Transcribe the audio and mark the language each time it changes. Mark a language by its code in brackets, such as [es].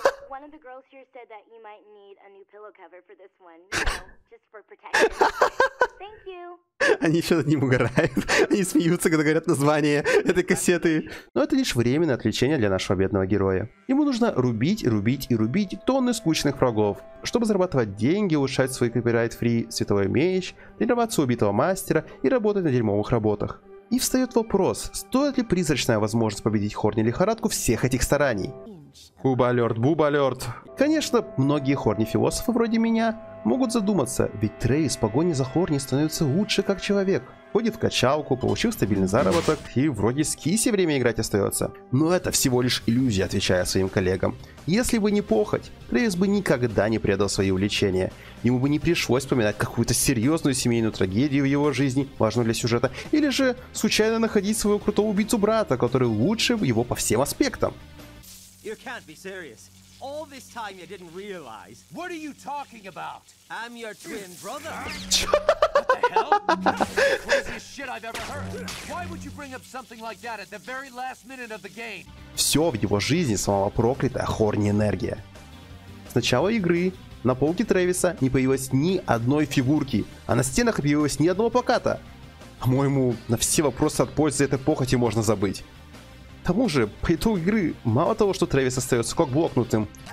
[en] One of the girls here said that you might need a new pillow cover for this one, just for protection. Thank you. [ru] Они еще над ним угорают. Они смеются, когда говорят название этой кассеты. Но это лишь временное отвлечение для нашего бедного героя. Ему нужно рубить, рубить и рубить тонны скучных врагов, чтобы зарабатывать деньги, улучшать свой копирайт-фри световой меч, тренироваться у убитого мастера и работать на дерьмовых работах. И встает вопрос, стоит ли призрачная возможность победить хорни-лихорадку всех этих стараний? Буба-алерт, буба-алерт. Конечно, многие хорни-философы вроде меня могут задуматься, ведь Трэвис в погоне за хорни становится лучше как человек. Ходит в качалку, получил стабильный заработок и вроде с киси время играть остается. Но это всего лишь иллюзия, отвечая своим коллегам. Если бы не похоть, Трэвис бы никогда не предал свои увлечения. Ему бы не пришлось вспоминать какую-то серьезную семейную трагедию в его жизни, важную для сюжета, или же случайно находить своего крутого убийцу брата, который лучше его по всем аспектам. [en] You can't be serious. All this time you didn't realize. What are you talking about? I'm your twin brother. What the hell? That's the craziest shit I've ever heard. Why would you bring up something like that at the very last minute of the game? [ru] Все в его жизни самого проклятая хорни энергия. С начала игры на полке Трэвиса не появилось ни одной фигурки, а на стенах не появилось ни одного плаката. По-моему, на все вопросы от пользы этой похоти можно забыть. К тому же, по итогу игры, мало того, что Трэвис остается как блокнутым.